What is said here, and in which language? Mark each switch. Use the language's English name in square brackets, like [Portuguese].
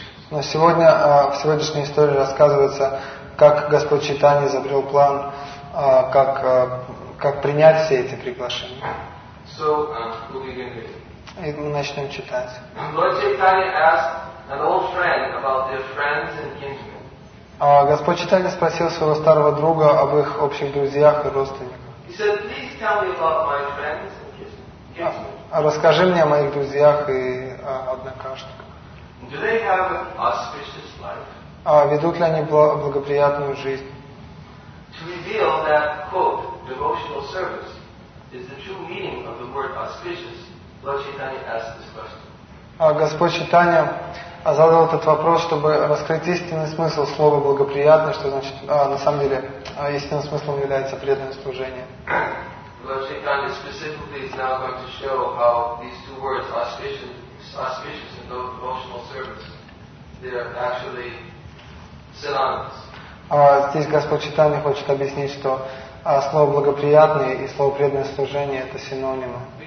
[Russian] Но сегодня, в сегодняшней истории рассказывается, как Господь Чайтанья изобрел план, как принять все эти приглашения. [English] So, we'll begin. [Russian] И мы начнем читать. [English] Lord Chaitanya asked an old friend about their friends and kinsmen. [Russian] Господь Чайтанья спросил своего старого друга об их общих друзьях и родственниках. [English] He said, please tell me about my friends and kinsmen. [Russian] Расскажи мне о моих друзьях и однокашниках. [English] Do they have an auspicious life? [Russian] Ведут ли они благоприятную жизнь? [English] To reveal that, quote, devotional service is the true meaning of the word auspicious, Lord Chaitanya asked this question. [Russian] Господь Чайтанья задал этот вопрос, чтобы раскрыть истинный смысл слова благоприятный, что значит, на самом деле, истинным смыслом является преданное служение. [English] Lord Chaitanya specifically is now going to show how these two words, auspicious and devotional service, they are actually synonymous. [Russian] Здесь Господь Чайтанья хочет объяснить, что слово «благоприятное» и слово «преданное служение» — это синонимы.